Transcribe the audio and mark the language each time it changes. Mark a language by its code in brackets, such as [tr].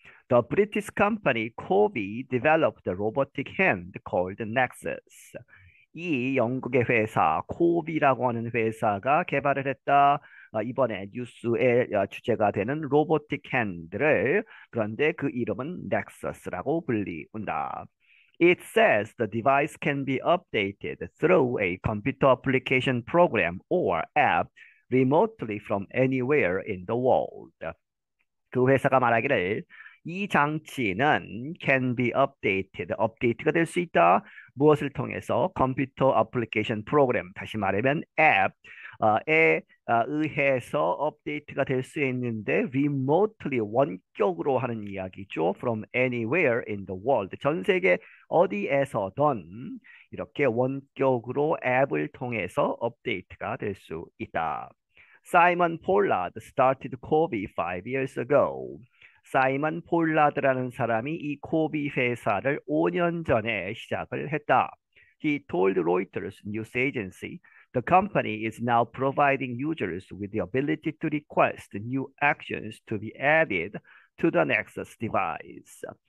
[en] The British company Cobee developed a robotic hand called Nexus. [ko] 이 영국의 회사 코비라고 하는 회사가 개발을 했다. 이번에 뉴스의 주제가 되는 로보틱 핸들을 그런데 그 이름은 넥서스라고 불리운다. [en] It says the device can be updated through a computer application program or app remotely from anywhere in the world. [ko] 그 회사가 말하기를 이 장치는 [en] can be updated, [ko] 업데이트가 될수 있다. 무엇을 통해서? 컴퓨터 애플리케이션 프로그램, 다시 말하면 앱, 에 의해서 업데이트가 될수 있는데 remotely 원격으로 하는 이야기죠. [en] From anywhere in the world. [ko] 전 세계 어디에서든 이렇게 원격으로 앱을 통해서 업데이트가 될수 있다. [en] Simon Pollard started Kobe 5 years ago. [ko] 사이먼 폴라드라는 사람이 이 코비 회사를 5년 전에 시작을 했다. [en] He told Reuters news agency, "The company is now providing users with the ability to request new actions to be added to the Nexus device."